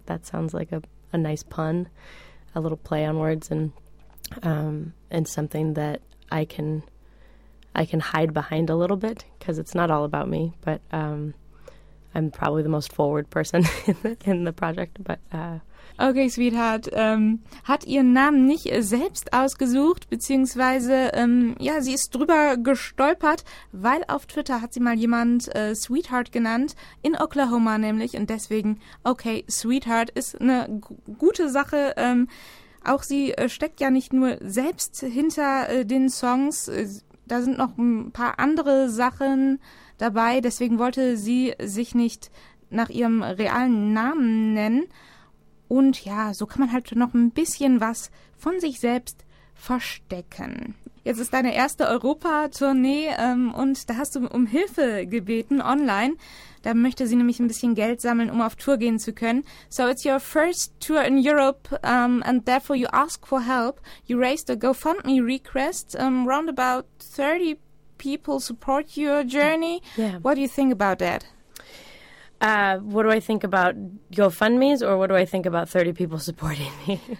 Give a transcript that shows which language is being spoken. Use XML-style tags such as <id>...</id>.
<en>That sounds like a nice pun, a little play on words, and something that I can hide behind a little bit, because it's not all about me, but I'm probably the most forward person in the project, but</en> <de>Okay, Sweetheart, hat ihren Namen nicht selbst ausgesucht, beziehungsweise, ja, sie ist drüber gestolpert, weil auf Twitter hat sie mal jemand Sweetheart genannt, in Oklahoma nämlich, und deswegen, okay, Sweetheart ist eine gute Sache, auch sie steckt ja nicht nur selbst hinter den Songs, da sind noch ein paar andere Sachen dabei, deswegen wollte sie sich nicht nach ihrem realen Namen nennen. Und ja, so kann man halt noch ein bisschen was von sich selbst verstecken. Jetzt ist deine erste Europa-Tournee und da hast du um Hilfe gebeten online. Da möchte sie nämlich ein bisschen Geld sammeln, um auf Tour gehen zu können.</de> <en>So it's your first tour in Europe and therefore you ask for help. You raised a GoFundMe request. Around about 30 people support your journey. Yeah. What do you think about that? What do I think about GoFundMes, or what do I think about 30 people supporting me?</en>